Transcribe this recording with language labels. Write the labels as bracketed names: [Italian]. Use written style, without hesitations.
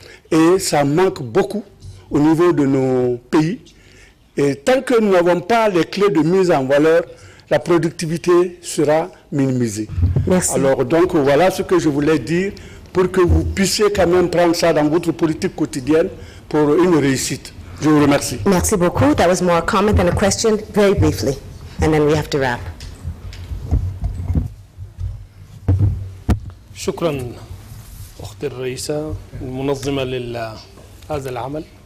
[French] Et ça manque beaucoup au niveau de nos pays. Et tant que nous n'avons pas les clés de mise en valeur, la productivité sera minimisée. Merci. Alors, donc, voilà ce que je voulais dire pour que vous puissiez quand même prendre ça dans votre politique quotidienne pour une réussite. Je vous remercie. Merci beaucoup. [English] That was more a comment than a question, very briefly. And then we have to wrap. [Arabic] شكراً أختي الرئيسة المنظمة لهذا العمل.